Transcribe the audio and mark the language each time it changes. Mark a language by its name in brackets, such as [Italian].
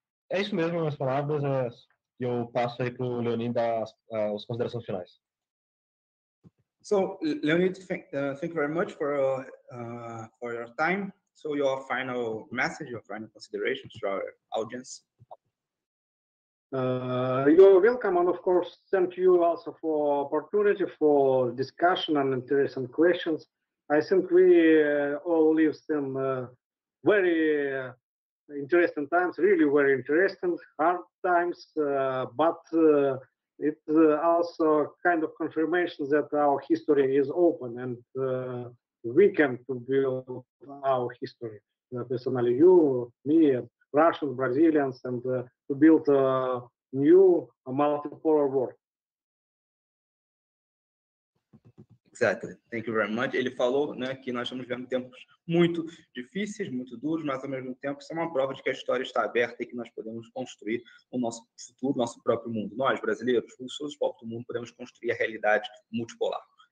[Portuguese] É isso mesmo, minhas palavras, eu passo aí para o Leonid dar as considerações finais. [English] So, Leonid, thank you very much for your time. So, your final message, your final considerations to our audience. You're welcome, and of course, thank you also for opportunity for discussion and interesting questions. I think we all live some very interesting times, really very interesting, hard times, but it's also kind of confirmation that our history is open and we can build our history, personally, you, me, Russians, Brazilians, and to build a new multipolar world. Exactly. Thank you very much. [Portuguese] Ele falou, né, que nós estamos vivendo tempos muito difíceis, muito duros, mas, ao mesmo tempo, isso é uma prova de que a história está aberta e que nós podemos construir o nosso futuro, nosso próprio mundo. Nós, brasileiros, russos, povo do mundo, podemos construir a realidade multipolar.